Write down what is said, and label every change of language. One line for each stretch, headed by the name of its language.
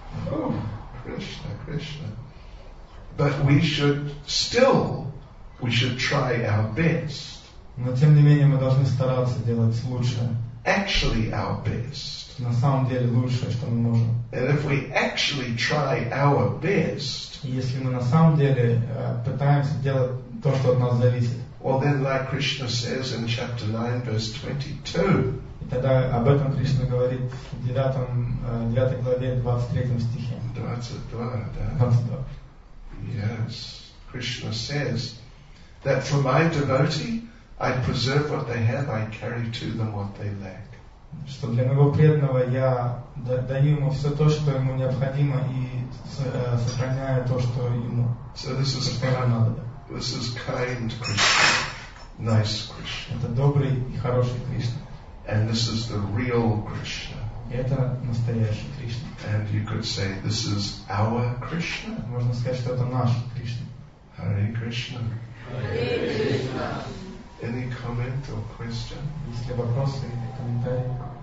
English: Oh, Krishna, Krishna. But we should try our best.
Russian: Но тем не менее мы должны стараться делать лучшее.
English: Actually our best.
Russian: На самом деле лучшее, что мы можем.
English: And if we actually try our best.
Russian: Если мы на самом деле пытаемся делать то, что от нас зависит.
English: Well, then, like Krishna says in chapter 9, verse 22.
Russian: И тогда об этом Кришна говорит в 9 главе, 23 стихе.
English: 22. Yes, Krishna says that for my devotee, I preserve what they have, I carry to them what they lack.
Russian: Что для моего преданного я даю ему все то, что ему необходимо, и сохраняю то, что ему.
English: So this is kind. This is kind Krishna, nice Krishna.
Russian: Это добрый и хороший Кришна.
English: And this is the real Krishna.
Russian: Это настоящий Кришна.
English: And you could say this is our Krishna.
Russian: Можно сказать, что это наш Кришна.
Sanskrit: Hare Krishna. Hare Krishna.
English: Any comment or question?
Russian: Есть ли вопросы или комментарии?